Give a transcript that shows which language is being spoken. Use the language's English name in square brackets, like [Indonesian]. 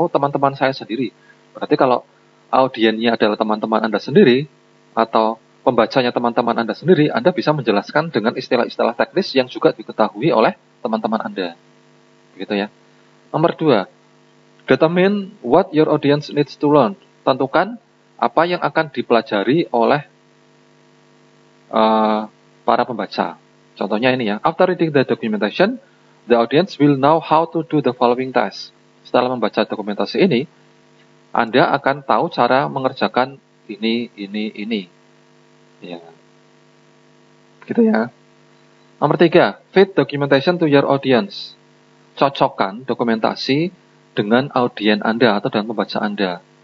[Indonesian] Oh, teman-teman saya sendiri. Berarti kalau audiennya adalah teman-teman Anda sendiri, atau pembacanya teman-teman Anda sendiri, Anda bisa menjelaskan dengan istilah-istilah teknis yang juga diketahui oleh teman-teman Anda. Begitu ya. [English] Nomor 2. Determine what your audience needs to learn. [Indonesian] Tentukan apa yang akan dipelajari oleh para pembaca. Contohnya ini ya. [English] After reading the documentation, the audience will know how to do the following task. [Indonesian] Setelah membaca dokumentasi ini, Anda akan tahu cara mengerjakan ini. Ya. Gitu ya. Nomor tiga, [English] fit documentation to your audience. [Indonesian] Cocokkan dokumentasi dengan audiens Anda atau dengan pembaca Anda.